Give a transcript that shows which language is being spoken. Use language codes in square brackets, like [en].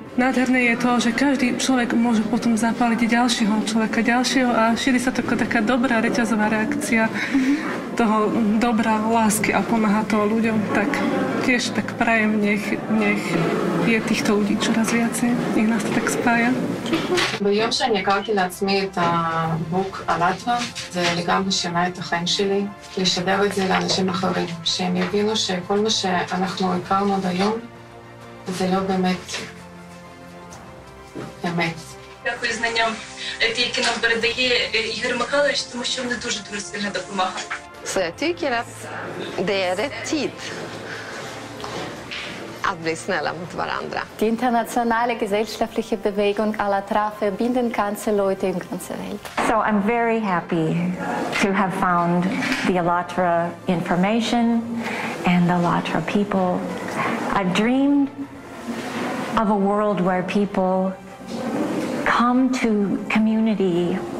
[sk] Nádherné je to, že každý človek môže potom zapáliť ďalšieho človeka, ďalšieho a šíri sa to taká dobrá reťazová reakcia toho dobrá lásky a pomáha toho ľuďom, tak tiež tak prajem, nech je týchto ľudí čoraz viacej, nech nás to tak spája. [he] ביום שאני הכרתי לעצמי את הבוק אלטרה, זה לגמרי שינה את החיים שלי, לשדר את זה לאנשים אחרים, שהם יבינו שכל מה שאנחנו הכרנו עד היום, זה לא באמת אמת. [uk] Дякую знанням, які нам передає Ігор Михайлович, тому що вони дуже-дуже сильно допомагають. [sv] Så jag tycker att det är rätt tid att bli snälla mot varandra. [de] Die internationale gesellschaftliche Bewegung Alatra verbinden ganze Leute in ganze Welt. [en] So I'm very happy to have found the Alatra information and the Alatra people. I've dreamed of a world where people come to community